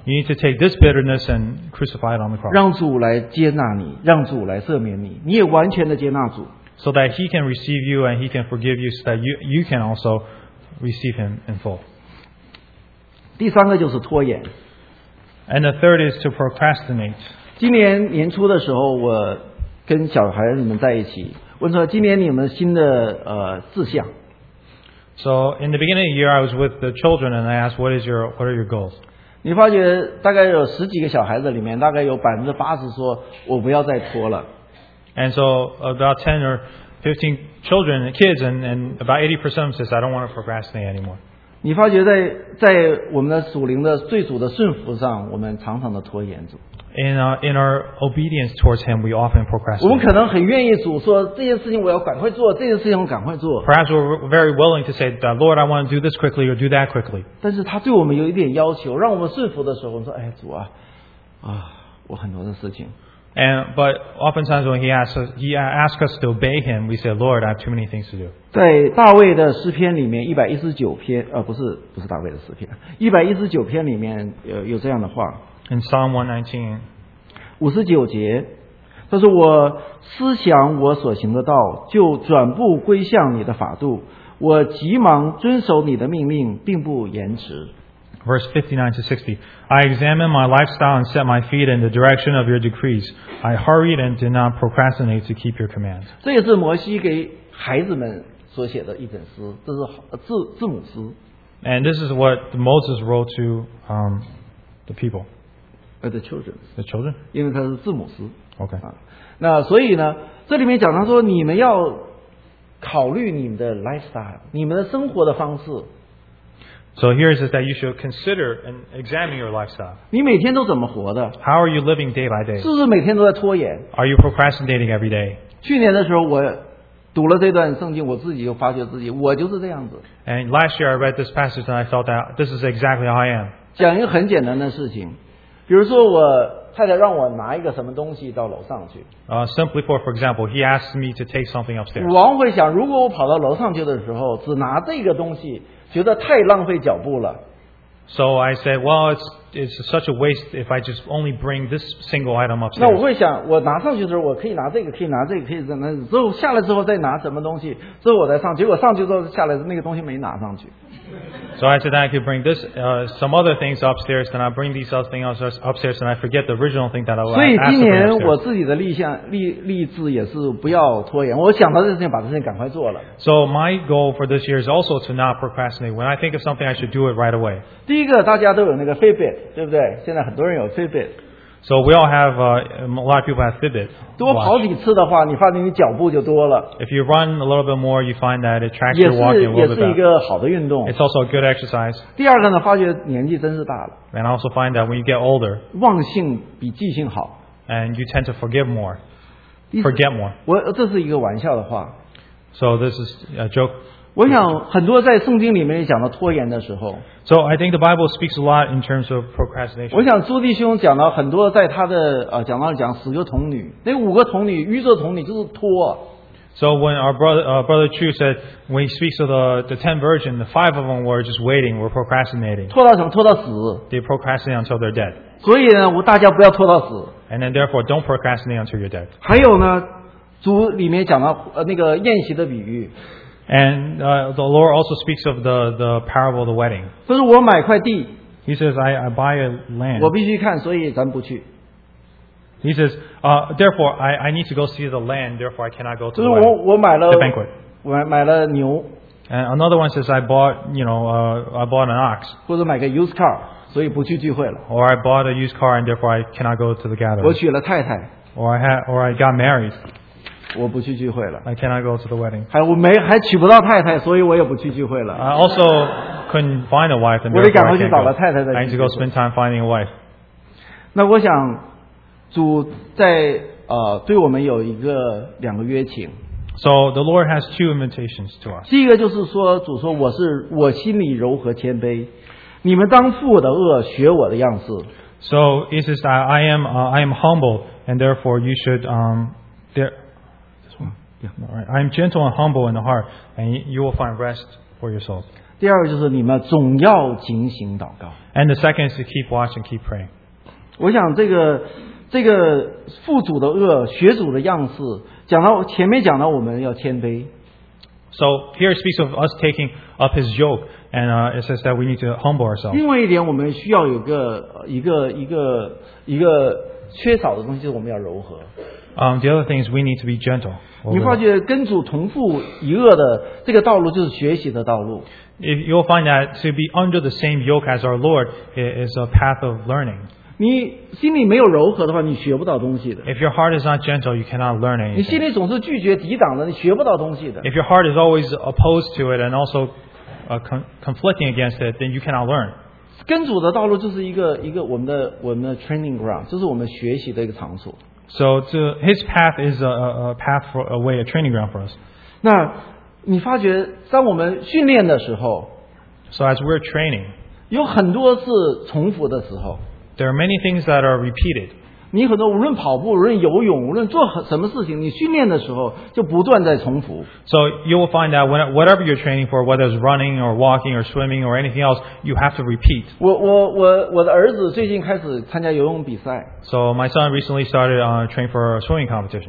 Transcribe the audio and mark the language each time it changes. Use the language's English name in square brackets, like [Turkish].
[English] you need to take this bitterness and crucify it on the cross. [Chinese] 让主来接纳你, 让主来赦免你, 你也完全的接纳主, [English] so that He can receive you and He can forgive you, so that you can also receive Him in full. [Chinese] 第三个就是拖延。 [English] And the third is to procrastinate. [Chinese] 今年年初的时候，我跟小孩子们在一起，问说今年你们新的志向。 [English] So in the beginning of the year, I was with the children and I asked, what are your goals? [Chinese] 你发觉大概有十几个小孩子里面，大概有百分之八十说我不要再拖了。 [English] And so about 10 or 15 children and kids, and about 80% says I don't want to procrastinate anymore. [Chinese] 你发觉在我们的属灵的最主的顺服上，我们常常的拖延主。 [English] In our obedience towards Him, we often procrastinate. [Chinese] 我们可能很愿意主说这件事情我要赶快做，这件事情我赶快做。 [English] Perhaps we're very willing to say, Lord, I want to do this quickly or do that quickly. [Chinese] 但是他对我们有一点要求，让我们顺服的时候，我们说，哎，主啊，啊，我很多的事情。 [English] And but oftentimes when he asks us to obey Him, we say, Lord, I have too many things to do. [Chinese] 在大卫的诗篇里面119篇，不是大卫的诗篇，119篇里面有这样的话。 [English] In Psalm 119, [Chinese] 59节，他说：“我思想我所行的道，就转步归向你的法度。我急忙遵守你的命令，并不延迟。” [English] Verse 59-60, I examine my lifestyle and set my feet in the direction of your decrees. I hurried and did not procrastinate to keep your commands. [Chinese] 这也是摩西给孩子们所写的一本诗，这是字母诗。 [English] And this is what Moses wrote to the people. The children. [Chinese] 因为它是字母诗。 [English] Okay. [Chinese] 那所以呢，这里面讲到说，你们要考虑你们的 lifestyle， 你们的生活的方式。 [English] So here it says that you should consider and examine your lifestyle. [Chinese] 你每天都怎么活的 [English] ？How are you living day by day？ [Chinese] 是不是每天都在拖延 [English] ？Are you procrastinating every day？ [Chinese] 去年的时候，我读了这段圣经，我自己就发觉自己，我就是这样子。 [English] And last year I read this passage and I felt that this is exactly how I am. [Chinese] 讲一个很简单的事情。比如说我太太让我拿一个什么东西到楼上去。 [English] Simply for example, he asked me to take something upstairs. [Chinese] 我往会想，如果我跑到楼上去的时候，只拿这个东西，觉得太浪费脚步了。 [English] So I said, well, it's such a waste if I just only bring this single item upstairs. [Chinese] 那我会想，我拿上去的时候，我可以拿这个，可以拿这个，可以拿那个，之后下来之后再拿什么东西，之后我再上，结果上去之后下来那个东西没拿上去。 [English] So I said that I could bring this, some other things upstairs, then I bring these other things upstairs, and I forget the original thing that I asked to bring upstairs. [Chinese] 所以今年我自己的立志也是不要拖延。我想到这件事情，把这件事情赶快做了。 [English] So my goal for this year is also to not procrastinate. When I think of something, I should do it right away. [Chinese] 第一个，大家都有那个 Fitbit， 对不对？现在很多人有 Fitbit。 [English] So we all have a lot of people have Fitbit. [Chinese] 多跑几次的话，你发现你脚步就多了。 [English] If you run a little bit more, you find that it tracks your walking a little bit better. [Chinese] 也是一个好的运动。 [English] It's also a good exercise. [Chinese] 第二个呢，发觉年纪真是大了。 [English] And I also find that when you get older, [Chinese] 忘性比记性好。 [English] And you tend to forget more. [Chinese] 我这是一个玩笑的话。 [English] So this is a joke. [Chinese] 我想很多在圣经里面讲到拖延的时候。 [English] So I think the Bible speaks a lot in terms of procrastination. [Chinese] 我想朱弟兄讲到很多在他的讲到十个童女，那五个童女，预设童女就是拖。 [English] So when our brother Chu said when he speaks of the ten virgins, the five of them were just waiting, were procrastinating. [Chinese] 拖到什么？拖到死。 [English] They procrastinate until they're dead. [Chinese] 所以呢，大家不要拖到死。 [English] And then therefore don't procrastinate until you're dead. [Chinese] 还有呢，主里面讲到那个宴席的比喻。 [English] And the Lord also speaks of the parable of the wedding. [Chinese] 就是我买块地。 [English] He says, I buy a land. [Chinese] 我必须看，所以咱不去。 [English] He says, therefore, I need to go see the land, therefore I cannot go to the [Chinese] banquet. 就是我买了 [English] the banquet. [Chinese] 买了牛。 [English] And another one says, I bought an ox. [Chinese] 或者买个 used car, 所以不去聚会了。 [English] Or I bought a used car, and therefore I cannot go to the gathering. [Chinese] 我娶了太太。 [English] Or I got married. [Chinese] 我不去聚会了。 [English] I cannot go to the wedding. [Chinese] 还娶不到太太，所以我也不去聚会了。 [English] I also couldn't find a wife. [Chinese] 我得赶快去找个太太再去。 [English] I need to go spend time finding a wife. [Chinese] 那我想，主在对我们有一个两个约请。 [English] So the Lord has two invitations to us. [Chinese] 第一个就是说，主说我心里柔和谦卑，你们当负我的轭，学我的样式。 [English] So it says that I am humble, and therefore you should I am gentle and humble in the heart, and you will find rest for yourselves. [Chinese] 第二个就是你们总要警醒祷告。 [English] And the second is to keep watch and keep praying. [Chinese] 我想这个负主的轭，学主的样式，讲到前面讲到我们要谦卑。 [English] So here it speaks of us taking up his yoke, and it says that we need to humble ourselves. [Chinese] 另外一点，我们需要有一个缺少的东西，就是我们要柔和。 [English] The other thing is we need to be gentle. [Chinese] 你发觉跟主同父一轭的这个道路就是学习的道路。 [English] You'll find that to be under the same yoke as our Lord is a path of learning. [Chinese] 你心里没有柔和的话，你学不到东西的。 [English] If your heart is not gentle, you cannot learn anything. [Chinese] 你心里总是拒绝抵挡的，你学不到东西的。 [English] If your heart is always opposed to it and also conflicting against it, then you cannot learn. [Chinese] 跟主的道路就是一个我们的 training ground, 就是我们学习的一个场所。 [English] So to, his path is a path for a way, a training ground for us. [Chinese] 那你发觉当我们训练的时候, [English] so as we're training, [Chinese] 有很多是重复的时候, [English] there are many things that are repeated. [Chinese] 你很多, 无论跑步, 无论游泳, 无论做什么事情, 你训练的时候, [English] so you will find that whatever you're training for, whether it's running or walking or swimming or anything else, you have to repeat. [Chinese] 我的儿子最近开始参加游泳比赛。 [English] So my son recently started training for a swimming competition.